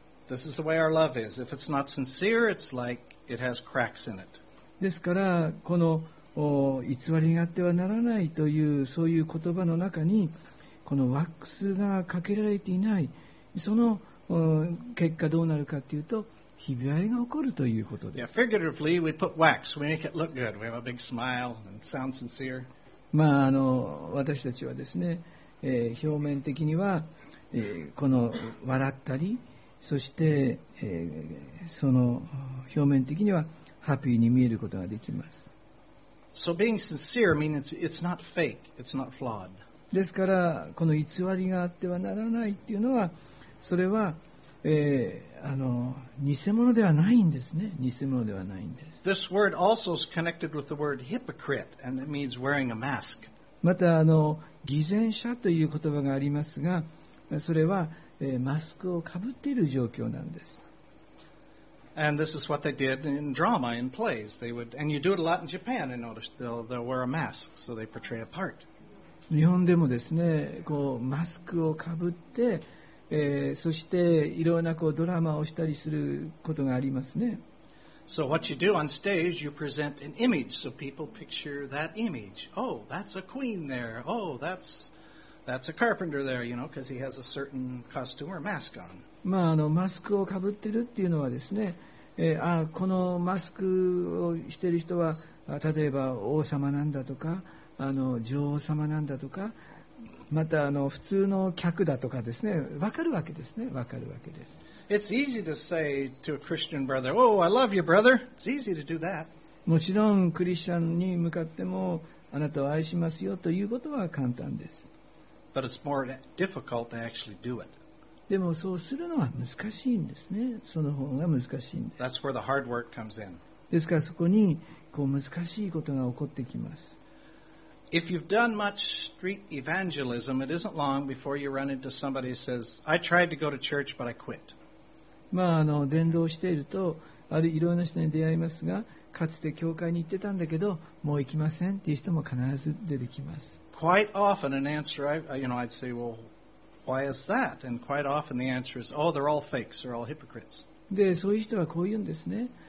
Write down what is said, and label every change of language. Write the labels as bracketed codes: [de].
[en] This is the way our love is. If it's not sincere, it's like it has cracks in it. [ja] ですからこの偽りがあってはならないというそういう言葉の中にこのワックスがかけられていない、その結果どうなるかというとひび割れが起こるということです。 [en] Yeah, figuratively we put wax. We make it look good. We have a big smile and sound sincere. [ja] まああの私たちはですね、表面的には、この笑ったり、そして、その表面的にはハッピーに見えることができます。 [en] So being sincere means it's not fake, it's not flawed. [ja] ですから、この偽りがあってはならないっていうのは、それは、偽物ではないんですね。偽物ではないんです。 [en] This word also is connected with the word hypocrite, and it means wearing a mask. [ja] また、偽善者という言葉がありますが、それは、マスクをかぶっている状況なんです。 [en] And this is what they did in drama, in plays. They would, and you do it a lot in Japan, I noticed. They'll wear a mask, so they portray a part. [ja] 日本でもですね、こうマスクをかぶって、そしていろんなこうドラマをしたりすることがありますね。 [en] So what you do on stage, you present an image, so people picture that image. Oh, that's a queen there. Oh, that's a carpenter there, you know, because he has a certain costume or mask on. [ja] まあ、マスクをかぶっているというのはですね、このマスクをしている人は例えば王様なんだとか女王様なんだとかまた普通の客だとかですね、わかるわけですね、わかるわけです。 [en] It's easy to say to a Christian brother, Oh, I love you, brother. It's easy to do that. [ja] もちろんクリスチャンに向かってもあなたを愛しますよということは簡単です。 [en] But it's more difficult to actually do it. [ja] でもそうするのは難しいんですね。その方が難しいんです。 [en] That's where the hard work comes in. [ja] ですからそこにこう難しいことが起こってきます。 [en] If you've done much street evangelism, it isn't long before you run into somebody who says, I tried to go to church, but I quit. [ja] まあ、伝道していると、あるいろんな人に出会いますが、かつて教会に行ってたんだけど、もう行きませんっていう人も必ず出てきます。 [en] Quite often an answer, I'd say, well,Why is that? And quite often the answer is, oh, they're all fakes, they're all hypocrites. [ja] で、そういう人はこう言うんですね。